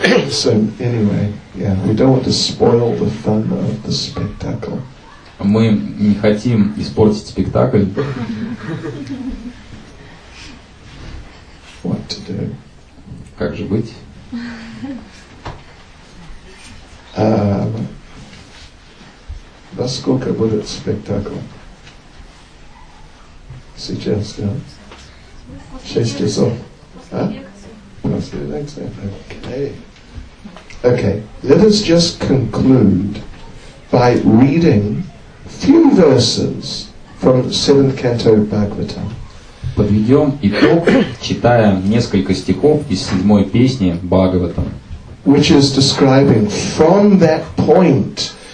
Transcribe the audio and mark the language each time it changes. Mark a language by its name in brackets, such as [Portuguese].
[English] So anyway, we don't want to spoil the fun of the spectacle. [Russian] Мы не хотим испортить спектакль. [English] What to do? [Russian] Как же быть? Во сколько будет спектакль? Сейчас, да? 6 часов. После лекции. [English] Okay. Let us just conclude by reading few verses from the 7th canto of Bhagavatam. [Russian] Подведем итог, читая несколько стихов из 7-й песни Бхагаватам. [English] Which is describing from that point